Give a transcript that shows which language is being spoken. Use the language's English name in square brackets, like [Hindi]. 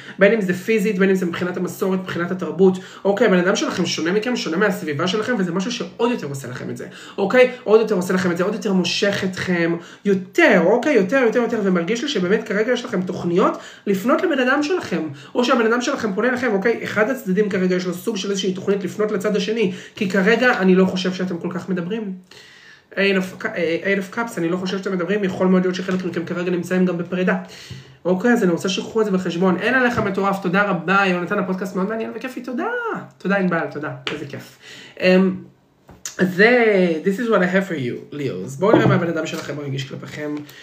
[Hebrew] בין אם זה פיזית, בין אם זה מבחינת המסורת, מבחינת התרבות, אוקיי, הבן אדם שלכם שונה מכם, שונה מהסביבה שלכם, וזה משהו שעוד יותר עושה לכם את זה, אוקיי, עוד יותר עושה לכם את זה, עוד יותר מושך אתכם, יותר, אוקיי, יותר, יותר, יותר, ומרגיש לי שבאמת כרגע יש לכם תוכניות לפנות לבן אדם שלכם, או שהבן אדם שלכם פונה לכם, אוקיי, אחד הצדדים כרגע יש לו סוג של איזושהי תוכנית לפנות לצד השני, כי כרגע אני לא חושב שאתם כל כך מדברים. אין אף קאפס, אני לא חושב שאתם מדברים, יכול מאוד להיות שחלק מכם כרגע נמצאים גם בפרידה. אוקיי, אז אני רוצה שיקחו את זה בחשבון. אין עליך מטורף, תודה רבה, יונתן, הפודקאסט מאוד מעניין וכיפי, תודה. תודה, אין בעל, תודה, איזה כיף. זה, [English] this is what I have for you, ליאוז. [Hebrew] בואו נראה מה הבן אדם שלכם מרגיש כלפיכם.